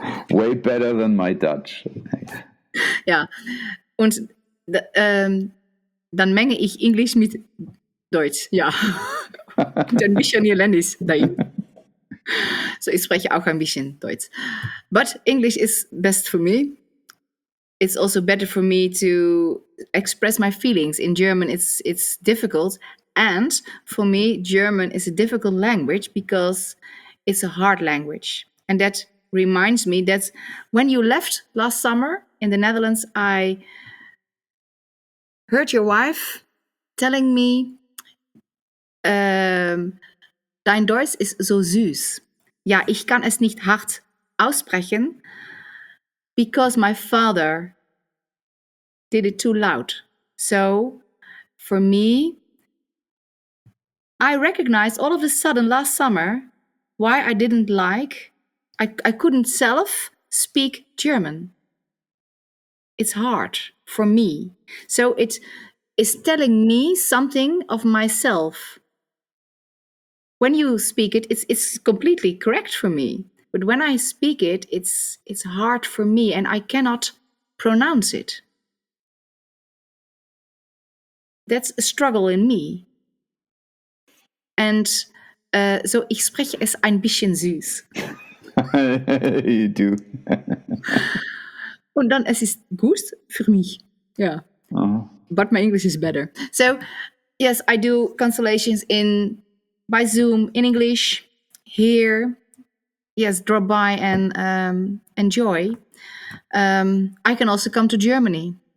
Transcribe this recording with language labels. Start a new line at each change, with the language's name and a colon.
English: Way better than my Dutch.
German: Ja, und dann menge ich Englisch mit Deutsch, ja. Und ein bisschen Niederländisch, nein. So, ich spreche auch ein bisschen Deutsch.
English: But English is best for me. It's also better for me to express my feelings. In German, it's difficult. And for me, German is a difficult language because it's a hard language. And that reminds me that when you left last summer in the Netherlands, I heard your wife telling me,
German: dein Deutsch ist so süß. Ja, ich kann es nicht hart aussprechen,
English: because my father did it too loud. So for me, I recognized all of a sudden last summer why I didn't like, I couldn't self speak German. It's hard for me. So it is telling me something of myself. when you speak it, it's completely correct for me. But when I speak it, it's hard for me and I cannot pronounce it. That's a struggle in me. And so
German: ich spreche es ein bisschen süß.
English: You do.
German: Und dann es ist gut für mich.
English: Yeah. Uh-huh. But my English is better. So yes, I do consultations by Zoom in English here. Yes, drop by and enjoy. I can also come to Germany.